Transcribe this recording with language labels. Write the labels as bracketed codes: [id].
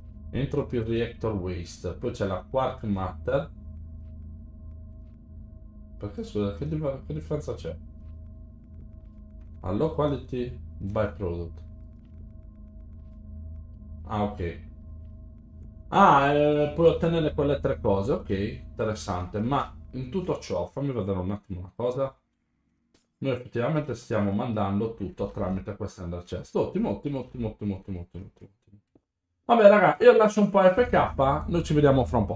[en] Entropy reactor waste. Poi c'è la quark matter. [it] Perché, scusa, che differenza c'è? [en] A low quality byproduct. [it] Ah, ok. Ah, puoi ottenere quelle tre cose. Ok, interessante. Ma in tutto ciò, fammi vedere un attimo una cosa. Noi effettivamente stiamo mandando tutto tramite questa Ender Chest. Ottimo, ottimo, ottimo, ottimo, ottimo, ottimo, ottimo. Vabbè, raga, io lascio un po' FK. Noi ci vediamo fra un po'.